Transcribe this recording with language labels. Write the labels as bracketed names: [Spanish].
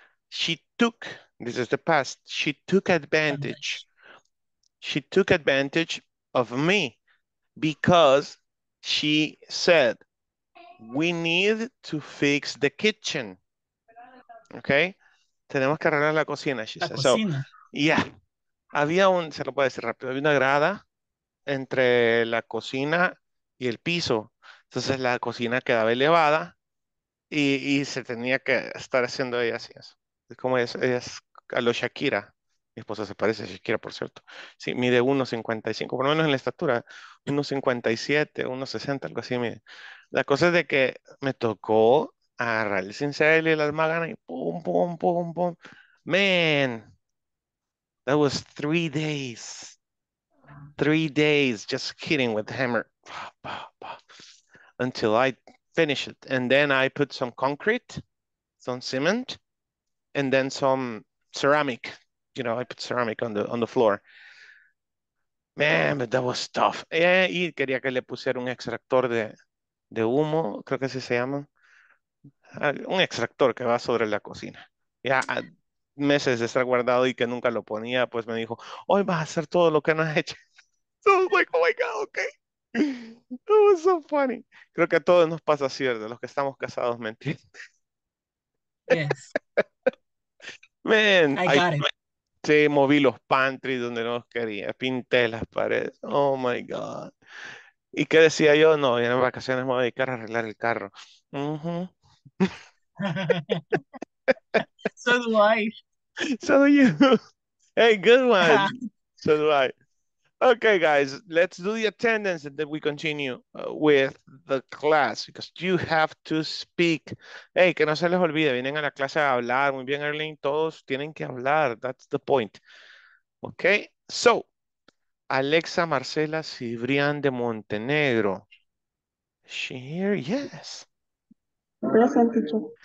[English] She took, this is the past, she took advantage. She took advantage of me because she said, we need to fix the kitchen. [Spanish] Okay? Tenemos que arreglar la cocina. She la [English] said. [Spanish] Cocina. [English] So, yeah. [Spanish] Había un, se lo puedo decir rápido, había una grada entre la cocina y el piso. Entonces la cocina quedaba elevada y se tenía que estar haciendo ella así. Eso. Es como es a lo Shakira. Mi esposa se parece a Shakira, por cierto. Sí, mide 1.55, por lo menos en la estatura. 1.57, 1.60, algo así mide. La cosa es de que me tocó agarrar el cincel y las maganas y pum, pum, pum, pum. [English] Man, that was 3 days. 3 days just hitting with the hammer. Bah, bah, bah, until I finished it. And then I put some concrete, some cement, and then some ceramic. You know, I put ceramic on the floor. Man, but that was tough. [Spanish] Yeah, y quería que le pusiera un extractor de humo, creo que así se llama. Un extractor que va sobre la cocina. Ya meses de estar guardado y que nunca lo ponía, pues me dijo, hoy vas a hacer todo lo que no has hecho. [English] So I was like, oh my God, okay. That was so funny. [Spanish] Creo que a todos nos pasa, ¿cierto? Los que estamos casados, ¿me entiendes? [English] Yes. Man. I got it. [Spanish] Sí, moví los pantries donde no los quería, pinté las paredes, [English] oh my God. [Spanish] ¿Y qué decía yo? No, en vacaciones me voy a dedicar a arreglar el carro. [English] So do I. So do you. Hey, good one. So do I. Okay, guys, let's do the attendance and then we continue with the class because you have to speak. [Spanish] Hey, que no se les olvide, vienen a la clase a hablar. Muy bien, Erling, todos tienen que hablar. [English] That's the point. Okay, so, Alexa Marcela Cibrián de Montenegro. Is she here? Yes. Present, teacher.